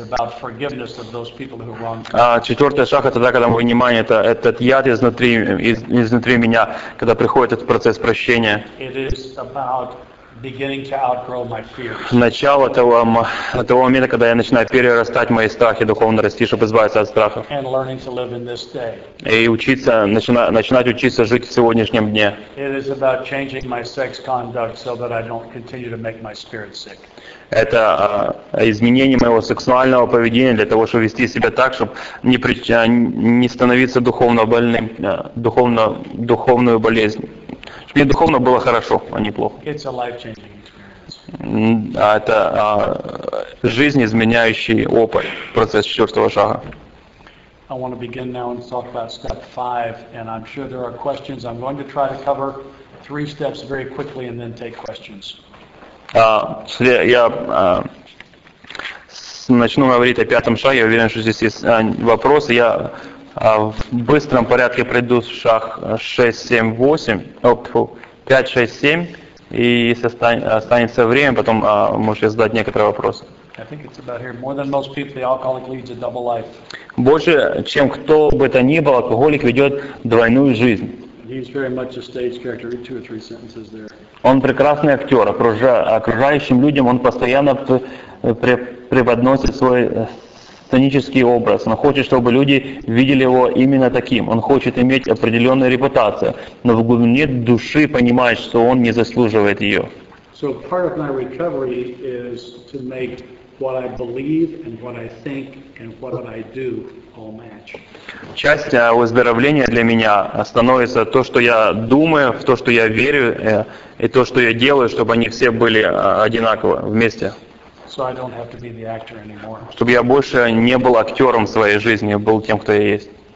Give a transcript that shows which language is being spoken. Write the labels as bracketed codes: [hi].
[ru] Четвертый шаг — это тогда, когда мы вынимаем этот яд изнутри меня, когда приходит этот процесс прощения. [en] It is about beginning to outgrow my fears. [ru] Начало того момента, когда я начинаю перерастать мои страхи, духовно расти, чтобы избавиться от страхов. [en] And learning to live in this day. [ru] И учиться, начинать учиться жить в сегодняшнем дне. [en] It is about changing my sex conduct so that I don't continue to make my spirit sick. [ru] Это изменение моего сексуального поведения для того, чтобы вести себя так, чтобы не становиться духовно больным, духовную болезнь. Мне духовно было хорошо, а не плохо. [en] It's a life-changing experience. [ru] Это жизнь, изменяющий опыт, процесс четвертого шага. [en] I want to begin now and talk about step five, and I'm sure there are questions. I'm going to try to cover three steps very quickly and then take questions. [ru] Я начну говорить о пятом шаге, я уверен, что здесь есть вопросы. Я в быстром порядке пройду в шаг 5-6-7, и если останется время, потом можете задать некоторые вопросы. [en] I think it's about here. More than most people, the alcoholic leads a double life. [ru] Больше, чем кто бы то ни был, алкоголик ведет двойную жизнь. [en] He's very much a stage character. Read two or three sentences there. [ru] Он прекрасный актер. Окружающим людям он постоянно преподносит свой сценический образ. Он хочет, чтобы люди видели его именно таким. Он хочет иметь определенную репутацию, но в глубине души понимает, что он не заслуживает ее. [en] So part of my recovery is to make what I believe and what I think and what I do all match. [ru] Часть выздоровления для меня становится то, что я думаю, в то, что я верю, и то, что я делаю, чтобы они все были одинаково вместе. [en] So I don't have to be the actor anymore. [ru] Чтобы я больше не был актером в своей жизни, а был тем, кто я есть.